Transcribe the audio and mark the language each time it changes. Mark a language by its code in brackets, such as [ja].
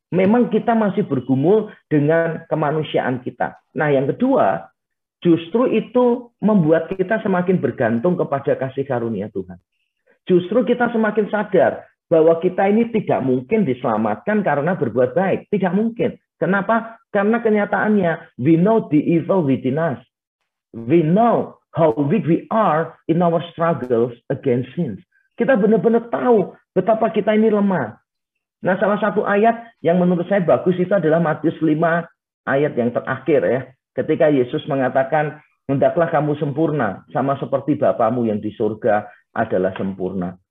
[id] Memang kita masih bergumul dengan kemanusiaan kita. Nah, yang kedua, justru itu membuat kita semakin bergantung kepada kasih karunia Tuhan. Justru kita semakin sadar bahwa kita ini tidak mungkin diselamatkan karena berbuat baik. Tidak mungkin. Kenapa? [en] Karena kenyataannya, we know the evil within us. We know how weak we are in our struggles against sins. [id] Kita benar-benar tahu betapa kita ini lemah. Nah, salah satu ayat yang menurut saya bagus itu adalah Matius 5 ayat yang terakhir ya. Ketika Yesus mengatakan, hendaklah kamu sempurna, sama seperti Bapamu yang di surga adalah sempurna.